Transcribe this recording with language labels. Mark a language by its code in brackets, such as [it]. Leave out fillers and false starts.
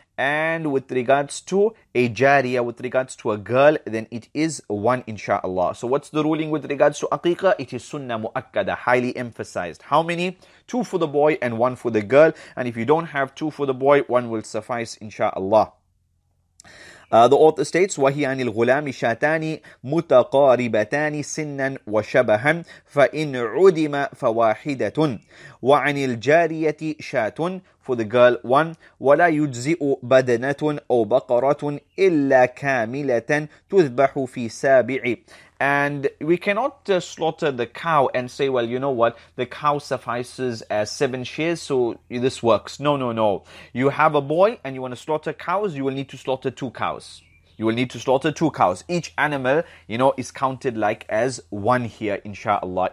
[en] And with regards to a jariya, with regards to a girl, then it is 1, insha'Allah. So what's the ruling with regards to aqiqah? It is sunnah mu'akkada, highly emphasized. How many? 2 for the boy and 1 for the girl. And if you don't have 2 for the boy, one will suffice, insha'Allah. The author states, [ar] وَهِيَانِ الْغُلَامِ شَاتَانِ مُتَقَارِبَتَانِ سِنًّا وَشَبَهًا فَإِنْ عُدِمَ فَوَاحِدَةٌ وَعَنِ الْجَارِيَةِ شَاتٌ [en] for the girl one, [ar] وَلَا يُجْزِئُ بَدَنَةٌ أَوْ بَقَرَةٌ إِلَّا كَامِلَةً تُذْبَحُ فِي سَابِعِ. [en] And we cannot slaughter the cow and say, well, you know what, the cow suffices as 7 shears, so this works. No. You have a boy and you want to slaughter cows, you will need to slaughter 2 cows. Each animal, you know, is counted like as one here, inshallah.